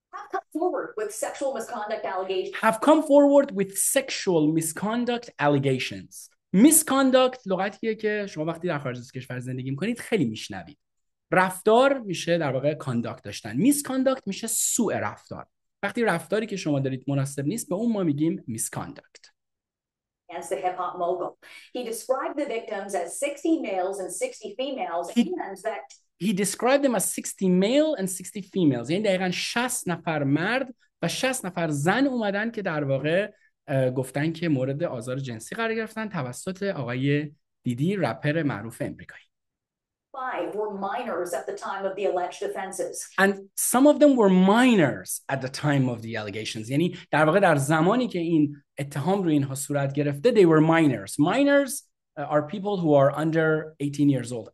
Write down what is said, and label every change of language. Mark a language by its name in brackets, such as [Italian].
[English] Have come forward with sexual misconduct allegations. [Persian] Misconduct لغتیه که شما وقتی در خارج از کشور زندگی میکنید خیلی میشنوید. رفتار میشه در واقع conduct داشتن. Misconduct میشه سوء رفتار. وقتی رفتاری که شما دارید مناسب نیست به اون ما میگیم misconduct. [English] As the hip hop mogul, he described the victims as 60 males and 60 females and that He described them as 60 male and 60 females. [Persian] یعنی دقیقاً 60 نفر مرد و 60 نفر زن اومدن که در واقع گفتن که مورد آزار جنسی قرار گرفتن توسط آقای دیدی, رپر معروف امریکایی. [English] Five were minors at the time of the alleged offenses. And some of them were minors at the time of the allegations. [Persian] یعنی در واقع در زمانی که این اتهام رو اینها صورت گرفته, [English] they were minors. Minors are people who are under 18 years old.